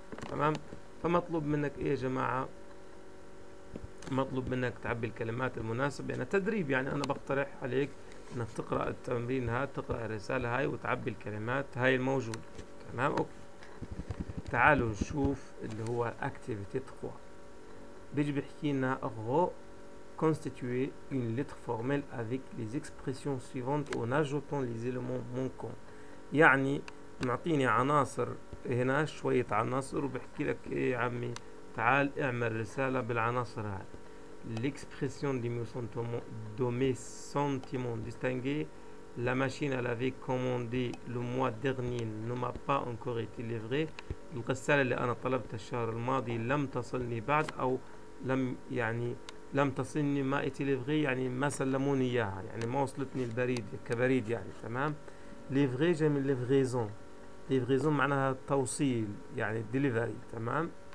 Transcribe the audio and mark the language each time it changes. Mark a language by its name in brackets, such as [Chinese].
[Arabic] تمام، فمطلوب منك ايه يا جماعه؟ مطلوب منك تعبي الكلمات المناسبه، يعني تدريب، يعني انا بقترح عليك انك تقرا التمرين هذا، تقرا الرساله هاي وتعبي الكلمات هاي الموجوده، تمام؟ اوكي، تعالوا نشوف اللي هو اكتيفيتي 3. بيجي بيحكي لنا غو [French] constituer une lettre formelle avec les expressions suivantes en ajoutant les éléments manquants. [Arabic] يعني معطيني عناصر هنا، شوية عناصر، وبحكي لك ايه يا عمي تعال اعمل رسالة بالعناصر هاي. [French] L'expression de mes sentiments distingués, la machine à laver commandée le mois dernier ne m'a pas encore été livrée. [Arabic] الغسالة اللي انا طلبتها الشهر الماضي لم تصلني بعد، او لم يعني لم تصلني، ما اتي ليفغي يعني ما سلموني اياها، يعني ما وصلتني البريد كبريد يعني، تمام؟ ليفغي جاي من ليفغيزون، ليفغيزون معناها توصيل يعني ديليفري، تمام؟